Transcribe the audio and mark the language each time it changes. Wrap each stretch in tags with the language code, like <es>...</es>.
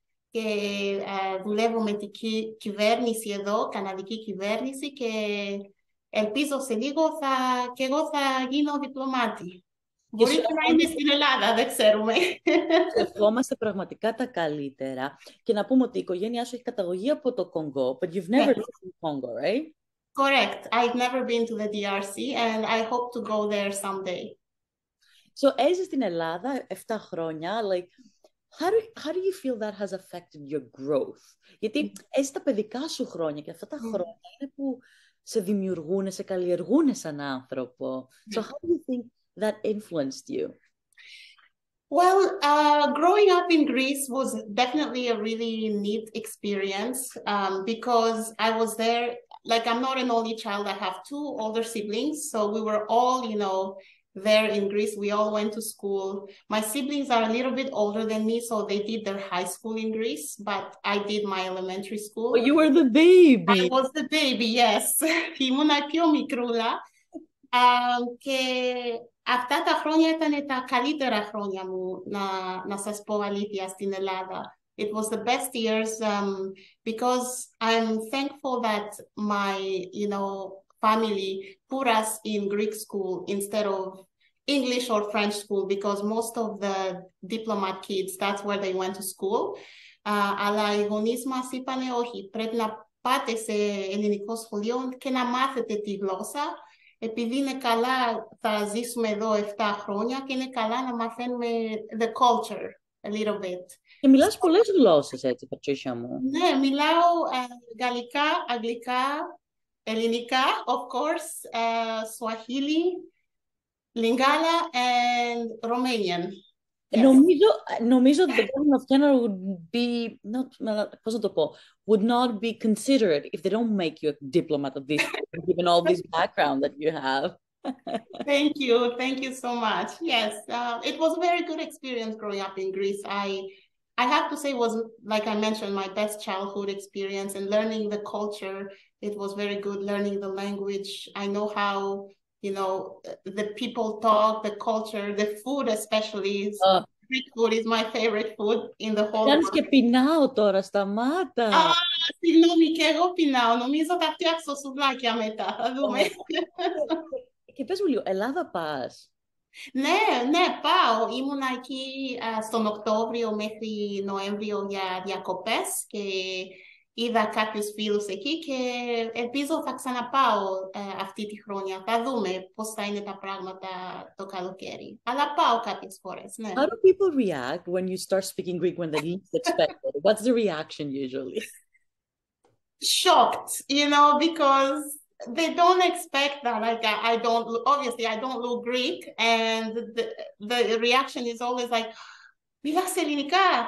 <el>Και δουλεύω με την κυβέρνηση εδώ, καναδική κυβέρνηση, και ελπίζω σε λίγο και εγώ θα γίνω διπλωμάτη. Μπορεί και να είμαι στην Ελλάδα, δεν ξέρουμε. Ευχόμαστε πραγματικά τα καλύτερα. Και να πούμε ότι η οικογένειά σου έχει καταγωγή από το Κονγκό,</el> <en>but you've never lived in Congo, right? Correct. I've never been to the DRC and I hope to go there someday.</en> <el>So, έζησες στην Ελλάδα 7 χρόνια, like...</el> <en>How do you feel that has affected your growth?</en> <el>Γιατί έζησες τα παιδικά σου χρόνια και αυτά τα χρόνια είναι που σε δημιουργούν, σε καλλιεργούν σαν άνθρωπο.</el> <en>So how do you think that influenced you? Well, growing up in Greece was definitely a really neat experience because I was there, like I'm not an only child, I have two older siblings, so we were all, you know, there in Greece, we all went to school. My siblings are a little bit older than me, so they did their high school in Greece, but I did my elementary school. But you were the baby. I was the baby, yes.</en> <el>Ήμουν πιο μικρούλα. Και αυτά τα χρόνια ήταν τα καλύτερα χρόνια μου, να σας πω αλήθεια, στην Ελλάδα.</el> <en>It was the best years because I'm thankful that my, you know, family put us in Greek school instead of English or French school because most of the diplomat kids, that's where they went to school.</en> <el>Αλλά οι γονείς μας είπανε όχι, πρέπει να πάτε σε ελληνικό σχολείο και να μάθετε τη γλώσσα, επειδή είναι καλά θα ζήσουμε εδώ 7 χρόνια και είναι καλά να μαθαίνουμε</el> <en>the culture a little bit.</en> <el>Και μιλάς πολλές γλώσσες έτσι, Πατρίσια μου. Ναι, μιλάω γαλλικά, αγγλικά, ελληνικά,</el> <en>of course,</en> <el>Swahili, Lingala, and Romanian. Νομίζω</el> <en>the government of Canada would be not,</en> <el>πώς να το πω,</el> <en>would not be considerate if they don't make you a diplomat of this, given all this background that you have. thank you so much. Yes, it was a very good experience growing up in Greece. I have to say it was, like I mentioned, my best childhood experience and learning the culture. It was very good learning the language. I know how, you know, the people talk, the culture, the food especially. Greek food is my favorite food in the whole world.</en> <el>Κάνεις και πεινάω τώρα, σταμάτα. Συγγνώμη, και εγώ πεινάω. Νομίζω θα φτιάξω σουβλάκια μετά. Θα δούμε. Και πες μου λίγο, Ελλάδα πας. Ναι, πάω. Ήμουνα εκεί στον Οκτώβριο μέχρι Νοέμβριο για διακοπές και είδα κάποιους φίλους εκεί και ελπίζω θα ξαναπάω αυτή τη χρόνια. Θα δούμε πώς θα είναι τα πράγματα το καλοκαίρι. Αλλά πάω κάποιες φορές, ναι.</el> <en>How do people react when you start speaking Greek when they least expect it? What's the reaction usually? Shocked, you know, because they don't expect that. Like, I don't look Greek. And the reaction is always like,</en> <el>μιλάς ελληνικά?</el>